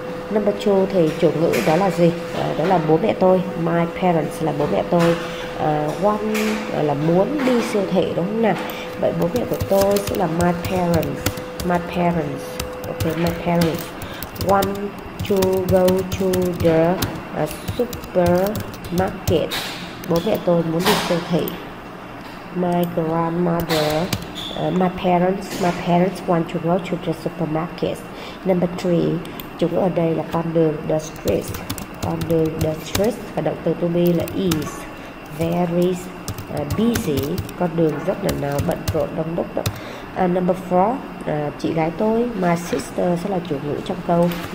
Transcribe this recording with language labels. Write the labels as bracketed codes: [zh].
[en] Number two [vi] thì chủ ngữ đó là gì? Đó là bố mẹ tôi. [en] My parents [vi] là bố mẹ tôi. Want là muốn đi siêu thị đúng không nào? Vậy bố mẹ của tôi sẽ là [en] my parents. Okay, my parents want to go to the supermarket. [vi] Bố mẹ tôi muốn đi siêu thị. [en] My parents want to go to the supermarket. Number 3, [vi] chúng ở đây là con đường, [en] the street. [vi] Con đường, [en] the street, [vi] và động từ to be là is. [en] Very busy, [vi] con đường rất là nào bận rộn đông đúc đó. [en] Number 4, [vi] chị gái tôi, [en] my sister [vi] sẽ là chủ ngữ trong câu.